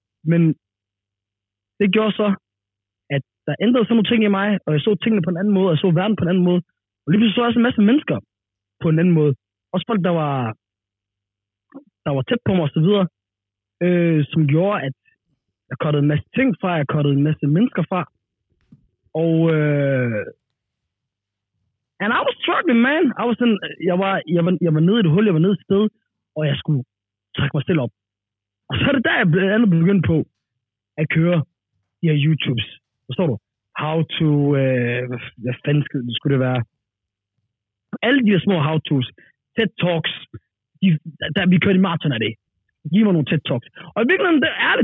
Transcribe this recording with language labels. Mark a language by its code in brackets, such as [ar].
[da] Men det gjorde så, der ændrede sådan nogle ting i mig, og jeg så tingene på en anden måde, og jeg så verden på en anden måde. Og lige pludselig så også en masse mennesker på en anden måde. Også folk, der var tæt på mig osv., som gjorde, at jeg cuttede en masse ting fra, jeg cuttede en masse mennesker fra. [en] Og and I was struggling, man. I was in, [da] jeg var nede i et hul, jeg var nede i et sted, og jeg skulle trække mig selv op. Og så er det der, jeg blandt andet begyndte på at køre i her YouTubes. Forstår du? [en] How to... [da] hvad fanden skulle det være? Alle de små how-tos. TED Talks. Vi kørte i maraton af det. Giv mig nogle TED Talks. Og i virkeligheden, det er det.